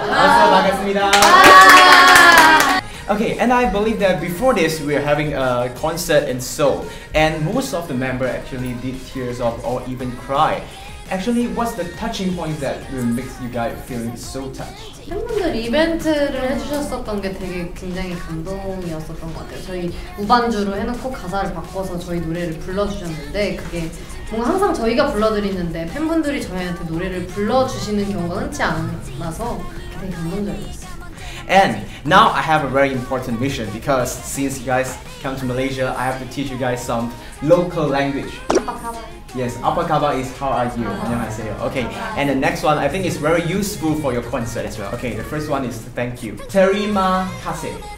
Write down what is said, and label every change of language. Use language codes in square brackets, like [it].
[en] OK, and I believe that before this, we are having a concert in Seoul. And most of the members actually did tears off or even cry. Actually, what's the touching point that makes you guys feel so touched? [ko] 팬분들 이벤트를 해주셨었던 게 되게 굉장히 감동이었었던 것 같아요. 저희 무반주로 해놓고 가사를 바꿔서 저희 노래를 불러주셨는데 그게 뭔가 항상 저희가 불러드리는데 팬분들이 저희한테 노래를 불러주시는 경우가 흔치 않아서 되게 감동적이었어요. [en] And now I have a very important mission because since you guys come to Malaysia, I have to teach you guys some local language. Yes, [ms] apa khabar [en] is how are you? [ko] 안녕하세요. [en] Okay, and the next one I think is very useful for your concert as well. Okay, the first one is thank you. [ms] Terima kasih.